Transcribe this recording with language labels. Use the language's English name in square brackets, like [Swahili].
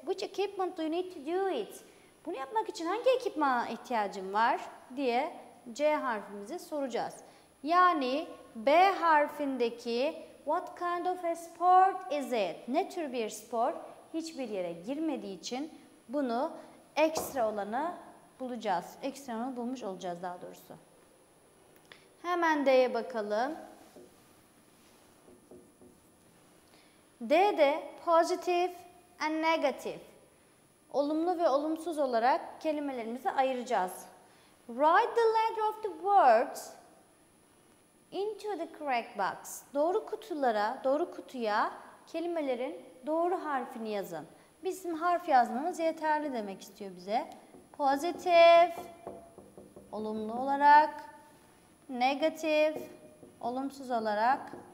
[English] Which equipment do you need to do it? [Turkish] Bunu yapmak için hangi ekipmana ihtiyacın var diye C harfimizi soracağız. Yani B harfindeki [English] what kind of a sport is it? [Turkish] Ne tür bir spor? Hiçbir yere girmediği için bunu ekstra olanı bulacağız. Ekstra olanı bulmuş olacağız daha doğrusu. Hemen D'ye bakalım. D'de [English] positive and negative. [Turkish] Olumlu ve olumsuz olarak kelimelerimizi ayıracağız. [English] Write the letter of the words into the correct box. [Turkish] Doğru kutulara, doğru kutuya kelimelerin doğru harfini yazın. Bizim harf yazmamız yeterli demek istiyor bize. Positive, olumlu olarak. Negative, olumsuz olarak.